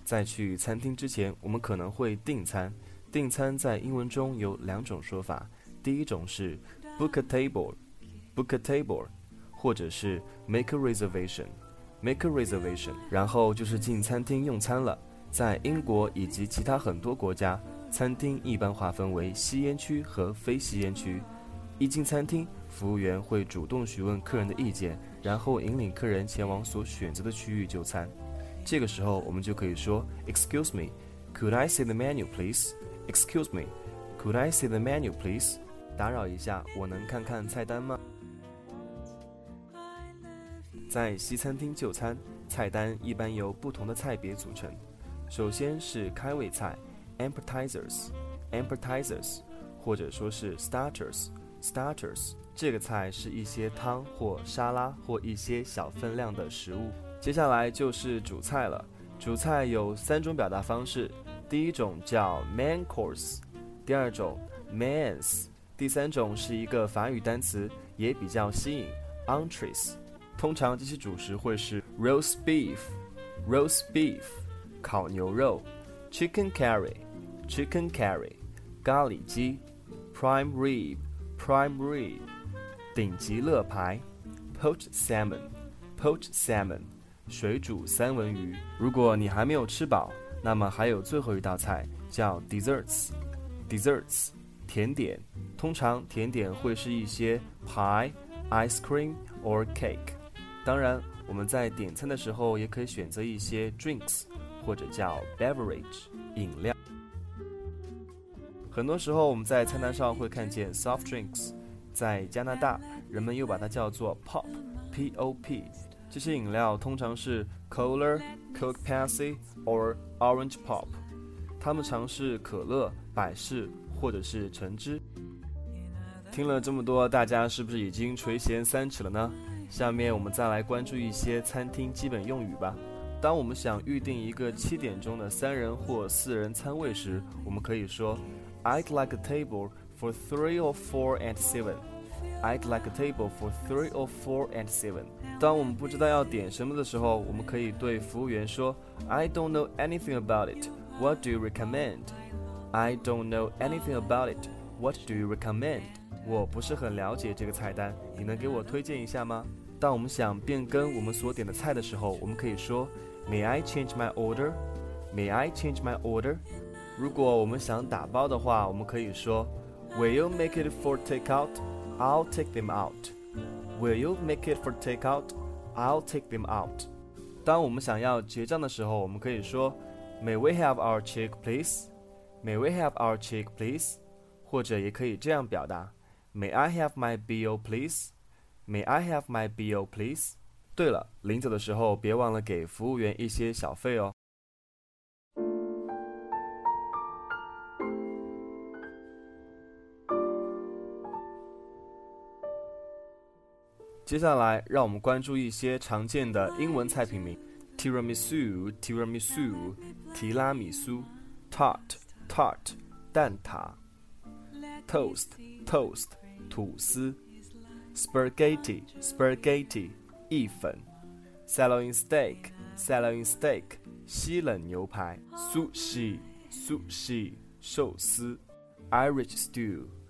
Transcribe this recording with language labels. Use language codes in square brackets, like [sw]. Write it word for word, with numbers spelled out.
[zh] 在去餐厅之前，我们可能会订餐。订餐在英文中有两种说法，第一种是 [en] book a table book a table [zh] 或者是 [en] make a reservation make a reservation， [zh] 然后就是进餐厅用餐了。在英国以及其他很多国家，餐厅一般划分为吸烟区和非吸烟区。一进餐厅，服务员会主动询问客人的意见，然后引领客人前往所选择的区域就餐。这个时候我们就可以说 [en] Excuse me, could I see the menu please? Excuse me, could I see the menu please? [zh] 打扰一下，我能看看菜单吗？在西餐厅就餐，菜单一般由不同的菜别组成。首先是开胃菜 [en] appetizers, appetizers [zh] 或者说是 [en] starters starters [zh] 这个菜是一些汤或沙拉或一些小分量的食物。接下来就是主菜了，主菜有三种表达方式，第一种叫 main course， 第二种 mains， 第三种是一个法语单词也比较新颖 entrees。通常这些主食会是 [en] roast beef roast beef [zh] 烤牛肉 [en] chicken curry chicken curry [zh] 咖喱鸡 [en] prime rib prime rib [zh] 顶级乐牌 [en] poached salmon poached salmon [zh] 水煮三文鱼。如果你还没有吃饱，那么还有最后一道菜叫 [en] desserts desserts [zh] 甜点，通常甜点会是一些 [en] pie ice cream or cake。 [zh] 当然我们在点餐的时候也可以选择一些 drinks 或者叫 beverage 饮料。很多时候我们在餐单上会看见 soft drinks， 在加拿大人们又把它叫做 pop P O P， 这些饮料通常是 [en] cola Coke Pepsi or orange pop， [zh] 它们常是可乐百事或者是橙汁。听了这么多，大家是不是已经垂涎三尺了呢？下面我们再来关注一些餐厅基本用语吧。当我们想预定一个七点钟的三人或四人餐位时，我们可以说 [en] I'd like a table for three or four and seven. I'd like a table for three or four and seven. [zh] 当我们不知道要点什么的时候，我们可以对服务员说 [en] I don't know anything about it. What do you recommend? I don't know anything about it. What do you recommend? [zh] 我不是很了解这个菜单，你能给我推荐一下吗？当我们想变更我们所点的菜的时候，我们可以说 [en] May I change my order? May I change my order? [zh] 如果我们想打包的话，我们可以说 [en] Will you make it for takeout? I'll take them out. Will you make it for takeout? I'll take them out. [zh] 当我们想要结账的时候，我们可以说 [en] May we have our check, please? May we have our check, please? [zh] 或者也可以这样表达 [en] May I have my bill, please? May I have my bill, please? [zh] 对了，临走的时候别忘了给服务员一些小费哦。接下来让我们关注一些常见的英文菜品名 [en] Tiramisu Tiramisu [zh] 提拉米苏 [en] Tart Tart [zh] 蛋挞 [en] Toast Toast [zh] 吐司 [en] Spaghetti Spaghetti [zh] 意粉 [en] Sirloin Steak Sirloin Steak [zh] 西冷牛排 [en] Sushi Sushi [zh] 寿司 [en] Irish Stew